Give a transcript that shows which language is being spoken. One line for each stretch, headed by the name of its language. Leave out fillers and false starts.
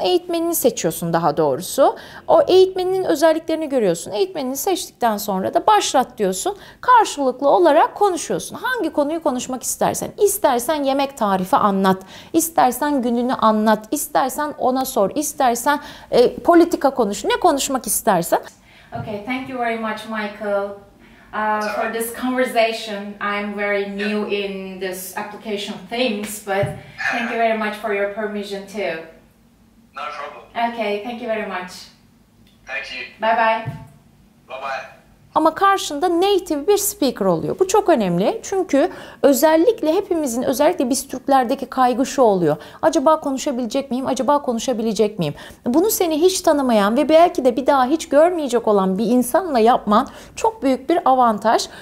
Turkish: Eğitmenini seçiyorsun daha doğrusu. O eğitmenin özelliklerini görüyorsun. Eğitmenini seçtikten sonra da başlat diyorsun. Karşılıklı olarak konuşuyorsun. Hangi konuyu konuşmak istersen. İstersen yemek tarifi anlat. İstersen gününü anlat. İstersen ona sor. İstersen politika konuş. Ne konuşmak istersen.
English: Okay, thank you very much, Michael. For this conversation, I'm very new in this application things, but thank you very much for your permission too. No problem. Okay, thank you very much. Thank you. Bye bye. Bye bye.
Turkish: ama karşında native bir speaker oluyor. Bu çok önemli çünkü özellikle hepimizin, özellikle biz Türklerdeki kaygı şu oluyor. Acaba konuşabilecek miyim? Acaba konuşabilecek miyim? Bunu seni hiç tanımayan ve belki de bir daha hiç görmeyecek olan bir insanla yapman çok büyük bir avantaj.